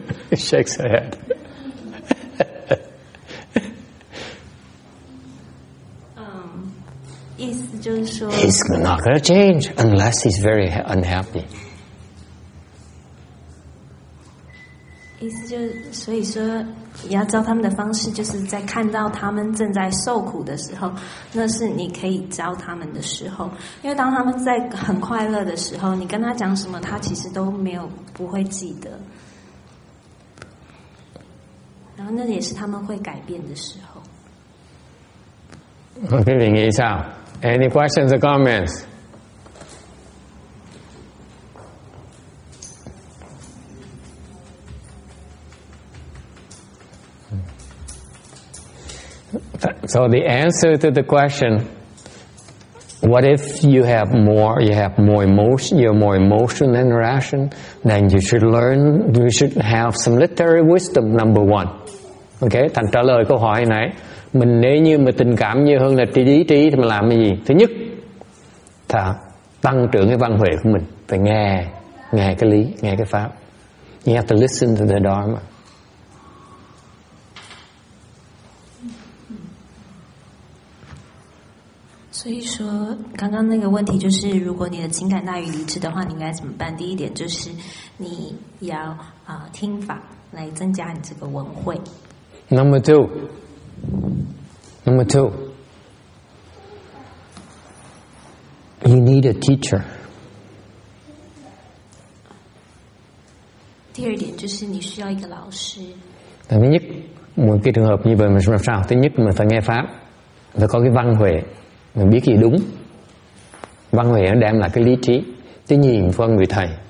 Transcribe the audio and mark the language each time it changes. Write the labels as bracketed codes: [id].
[en] He shakes her head. He's not going to change unless he's very unhappy. [zh] 意思就是，所以说，要教他们的方式就是在看到他们正在受苦的时候，那是你可以教他们的时候。因为当他们在很快乐的时候，你跟他讲什么，他其实都没有不会记得。然后那也是他们会改变的时候。 [en] OK, 林医生。Any questions or comments? So the answer to the question, what if you have more, emotion, you're more emotional than rational, then you should learn, you should have some literary wisdom, number one. [vi] Okay, thành trả lời câu hỏi này. Mình nếu như mà tình cảm nhiều hơn là trí thì mình làm cái gì? Thứ nhất, thả tăng trưởng cái văn huệ của mình. Phải nghe, nghe cái lý, nghe cái pháp. [en] You have to listen to the Dharma. [zh] 所以说，刚刚那个问题就是，如果你的情感大于理智的话，你应该怎么办？第一点就是你要听法来增加你这个文慧。 [en] Number two. Number two, you need a teacher. [zh] 第二点就是你需要一个老师。 [vi] Thứ nhất, một cái trường hợp như vậy mình làm sao? Thứ nhất mình phải nghe pháp, phải có cái văn huệ, mình biết gì đúng. Văn huệ nó đem lại cái lý trí, thứ nhì mình phải có người thầy.